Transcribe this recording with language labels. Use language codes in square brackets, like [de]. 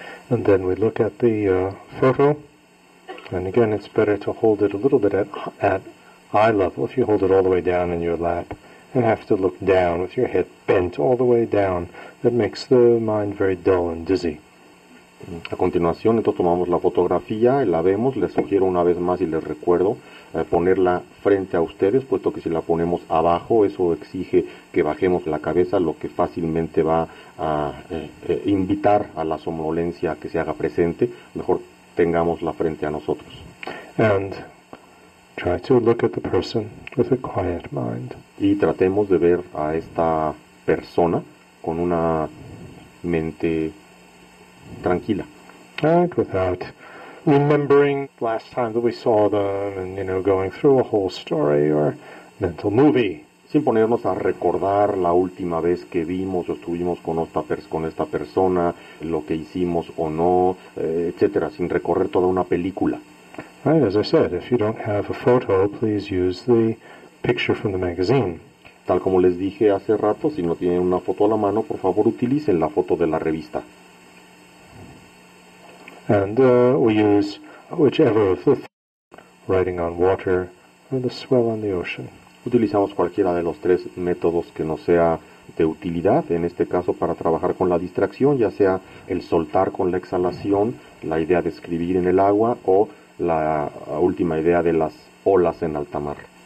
[en] And then we look at the photo, and again, it's better to hold it a little bit at eye level. If you hold it all the way down in your lap and have to look down with your head bent all the way down, that makes the mind very dull and dizzy. [es] A continuación, entonces tomamos la fotografía y la vemos. Les sugiero una vez más y les recuerdo ponerla frente a ustedes, puesto que si la ponemos abajo, eso exige que bajemos la cabeza, lo que fácilmente va a invitar a la somnolencia que se haga presente. Mejor tengámosla frente a nosotros. [en] And try to look at the person with a quiet mind. [es] Y tratemos de ver a esta persona con una mente tranquila. [en] Right, without remembering last time that we saw them and, you know, going through a whole story or mental movie. [es] Sin ponernos a recordar la última vez que vimos o estuvimos con esta persona, lo que hicimos o no, etcétera, sin recorrer toda una película. [en] Right, as I said, if you don't have a photo, please use the picture from the magazine. [es] tal como les dije hace rato, si no tienen una foto a la mano, por favor utilicen la foto de la revista. [en] And we use whichever of the writing on water or the swell on the ocean. [es] Utilizamos cualquiera de los tres métodos que nos sea de utilidad, en este caso para trabajar con la distracción, ya sea el soltar con la exhalación, la idea de escribir en el agua o la última idea de las olas en alta mar.